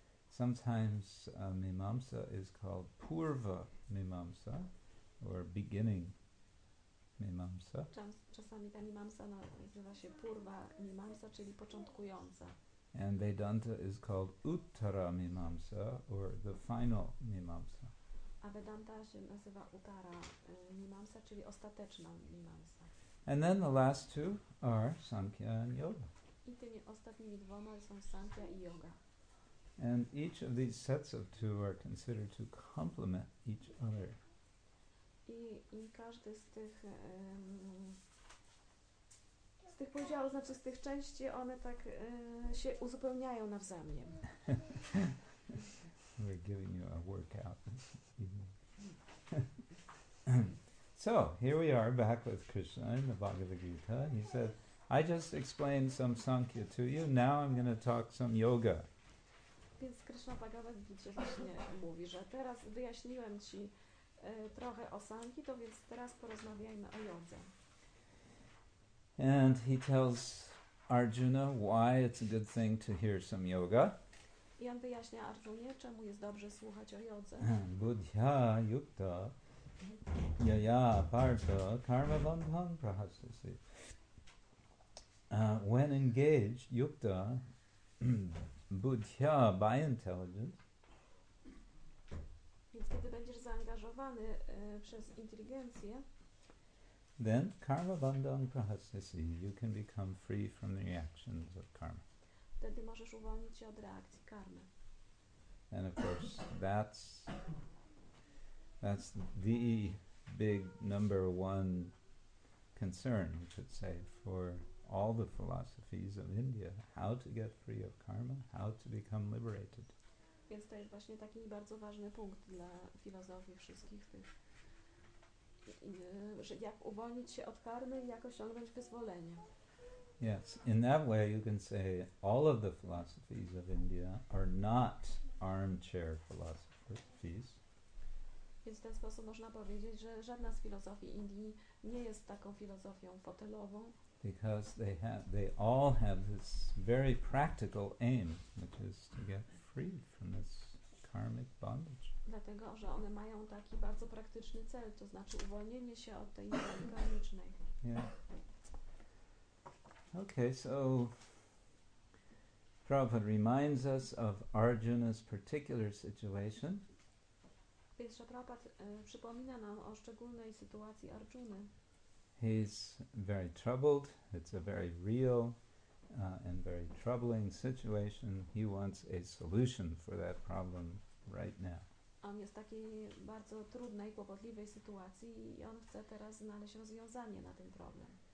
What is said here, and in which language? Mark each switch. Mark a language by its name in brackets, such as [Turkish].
[English] Sometimes Mimamsa is called Purva Mimamsa, or beginning Mimamsa. [Polish] Czasami ta Mimamsa nazywa się Purva Mimamsa, czyli początkująca. [English] And Vedanta is called Uttara Mimamsa, or the final Mimamsa. [Polish] A Vedanta się nazywa Uttara Mimamsa, czyli ostateczna Mimamsa. [English] And then the last two are Sankhya and Yoga. [Polish] I tymi ostatnimi dwoma są Sankhya i Yoga. [English] And each of these sets of two are considered to complement each other. [Polish] I każdy z tych podziałów, znaczy z tych części, one tak się uzupełniają nawzajem. [English] We're giving you a workout this evening. So, here we are back with Krishna in the Bhagavad Gita. He said, I just explained some Sankhya to you, now I'm going to talk some yoga. [Polish] Więc Krishna Bhagavad Gita właśnie mówi, że teraz wyjaśniłem ci trochę o Sankhi, to więc teraz porozmawiajmy o jodze. [English] And he tells Arjuna why it's a good thing to hear some yoga. [Polish] I on wyjaśnia Arjunie, czemu jest dobrze słuchać o jodze. [Sanskrit] Buddha yukta yaya partha karma bandham prahasasi. [English] When engaged, yukta, buddha, by intelligence. [Polish] Więc kiedy będziesz zaangażowany przez inteligencję, [English] then [Sanskrit] karma bandham prahasasi, [English] you can become free from the reactions of karma. [Polish] Wtedy możesz uwolnić się od reakcji karmy. [English] And of course, that's the big number one concern, you could say, for all the philosophies of India. How to get free of karma, how to become liberated. [Polish] Więc to jest właśnie taki bardzo ważny punkt dla filozofii wszystkich tych, że jak uwolnić się od karmy i jak osiągnąć wyzwolenie. [English] Yes, in that way you can say all of the philosophies of India are not armchair philosophies. [Polish] Więc w ten sposób można powiedzieć, że żadna z filozofii Indii nie jest taką filozofią fotelową. [English] Because they all have this very practical aim, which is to get free from this karmic bondage. [Polish] Dlatego, że one mają taki bardzo praktyczny cel, to znaczy uwolnienie się od tej karmicznej. [English] Yeah. Okay, so Prabhupada reminds us of Arjuna's particular situation. [Polish] Więc Prabhupada przypomina nam o szczególnej sytuacji Arjuny. [English] He's very troubled. It's a very real and very troubling situation. He wants a solution for that problem right now. [Polish] On jest w takiej bardzo trudnej, kłopotliwej sytuacji i on chce teraz znaleźć rozwiązanie na ten problem.